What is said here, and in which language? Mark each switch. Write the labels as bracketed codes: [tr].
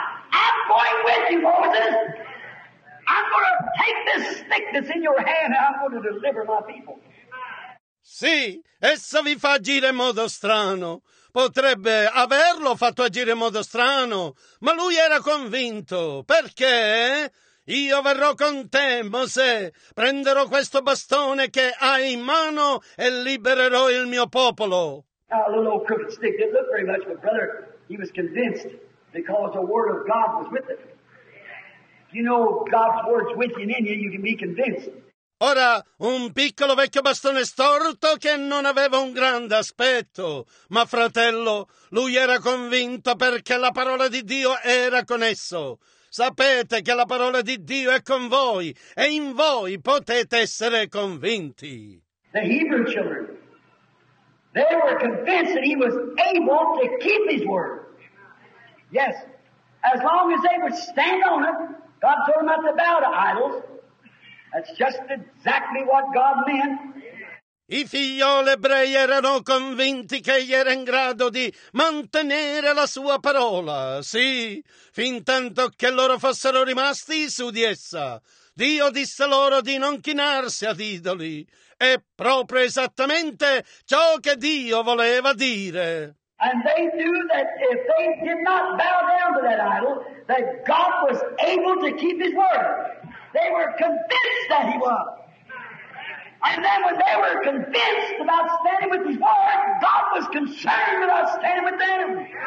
[en] I'm going with you, Moses. I'm going to take this stick that's in your hand and I'm going to deliver my people. [it] Sì, essa vi fa agire in modo strano. Potrebbe averlo fatto agire in modo strano, ma lui era convinto. Perché? Io verrò con te, Mosè. Prenderò questo bastone che hai in mano e libererò il mio popolo. [en] Now, a little old crooked stick didn't look very much, but brother, he was convinced because the word of God was with him. If you know God's word's with you and in you, you can be convinced. [it] Ora, un piccolo vecchio bastone storto che non aveva un grande aspetto, ma fratello, lui era convinto perché la parola di Dio era con esso. Sapete che la parola di Dio è con voi, e in voi potete essere convinti. [en] The Hebrew children, they were convinced that he was able to keep his word. Yes, as long as they would stand on it, God told them not to bow to idols. That's just exactly what God meant. [it] I figlioli ebrei erano convinti che egli era in grado di mantenere la sua parola, sì, fin tanto che loro fossero rimasti su di essa. Dio disse loro di non chinarsi ad idoli. È proprio esattamente ciò che Dio voleva dire. [en] And they knew that if they did not bow down to that idol, that God was able to keep his word. They were convinced that he was. And then when they were convinced about standing with his word, God was concerned about standing with them.